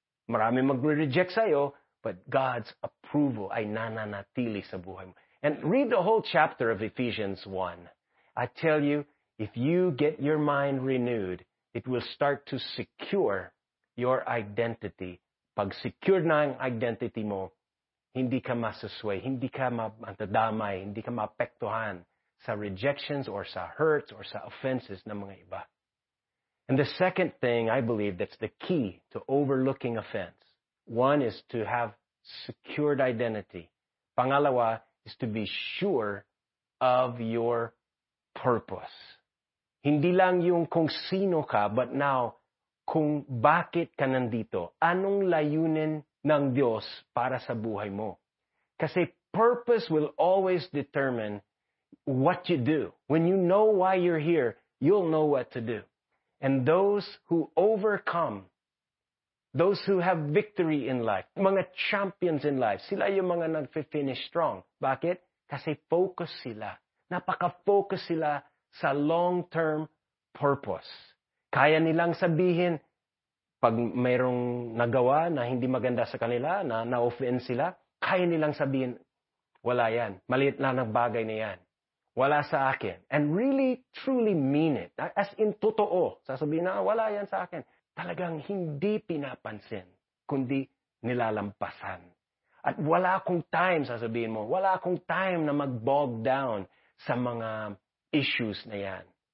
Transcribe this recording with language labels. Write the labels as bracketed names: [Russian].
[Filipino] Marami magre-reject sa'yo, [English] but God's approval [Filipino] ay nananatili sa buhay mo. [English] And read the whole chapter of Ephesians 1. I tell you, if you get your mind renewed, it will start to secure your identity. [Filipino] Pag secure na ang identity mo, hindi ka masasway, hindi ka mapantadamay, hindi ka mapektuhan sa rejections or sa hurts or sa offenses ng mga iba. [English] And the second thing I believe that's the key to overlooking offense, one is to have secured identity. [Filipino] Pangalawa is to be sure of your purpose. Hindi lang yung kung sino ka, [English] but now [Filipino] kung bakit ka nandito. Anong layunin ng Diyos para sa buhay mo? Kasi [English] purpose will always determine what you do. When you know why you're here, you'll know what to do. And those who overcome, those who have victory in life, mga champions in life, sila yung mga nag-finish strong. [Filipino] Bakit? Kasi focus sila. Napaka-focus sila sa long-term purpose. Kaya nilang sabihin, pag mayroong nagawa na hindi maganda sa kanila, na na-offend sila, kaya nilang sabihin, wala yan. Maliit na ng bagay na yan. Wala sa akin. [English] And really, truly mean it. [Filipino] As in totoo. Sasabihin na, wala yan sa akin. Talagang hindi pinapansin, kundi nilalampasan. At wala akong time, sasabihin mo, wala akong time na mag-bog down sa mga issues na yan.